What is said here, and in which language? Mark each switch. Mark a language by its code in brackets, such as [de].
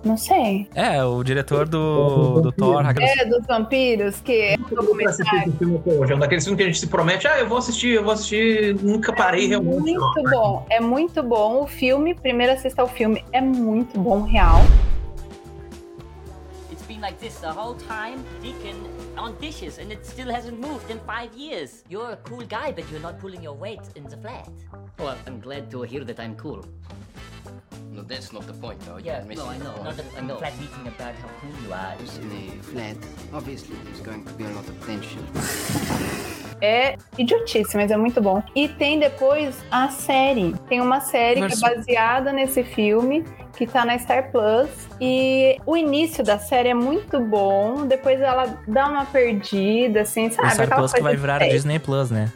[pt] Não sei. É, o diretor do Thor. Dos vampiros, que é um filme, um daqueles filmes que a gente se promete, ah, eu vou assistir, nunca parei, é realmente. Muito bom, é muito bom o filme. Primeiro assista ao filme, é muito bom, real. [en] It's been like this the whole time, Deacon, on dishes, and it still hasn't moved in 5 years. You're a cool guy, but you're not pulling your weight in the flat. Well, I'm glad to hear that I'm cool. No, that's not the point, though. Yeah, no, I know. Not a flat meeting about how cool you are. It's in a flat. Obviously, there's going to be a lot of tension. [pt] É idiotice, mas é muito bom. E tem depois a série. Tem uma série que é baseada nesse filme, que tá na Star Plus. E o início da série é muito bom, depois ela dá uma perdida, assim, sabe? O Star Plus que vai virar a Disney Plus, né?